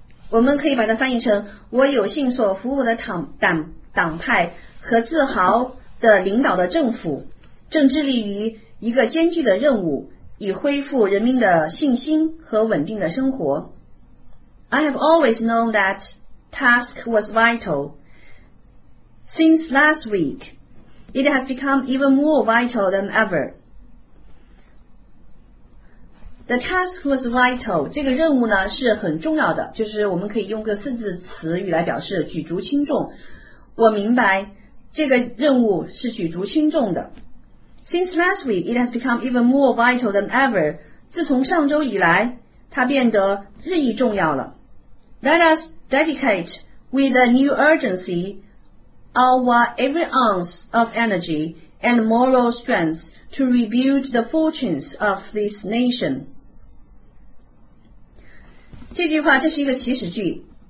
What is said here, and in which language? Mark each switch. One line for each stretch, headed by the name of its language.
Chinese: 我们可以把它翻译成，我有幸所服务的党派和自豪的领导的政府，正致力于一个艰巨的任务，以恢复人民的信心和稳定的生活。
English: I have always known that task was vital. Since last week, it has become even more vital than ever. The task was vital.
Chinese: 这个任务呢是很重要的，就是我们可以用个四字词语来表示举足轻重。我明白这个任务是举足轻重的。
English: Since last week, it has become even more vital than ever.
Chinese: 自从上周以来，它变得日益重要了。
English: Let us dedicate with a new urgency our every ounce of energy and moral strength to rebuild the fortunes of this nation.
Chinese: 这句话，这是一个祈使句。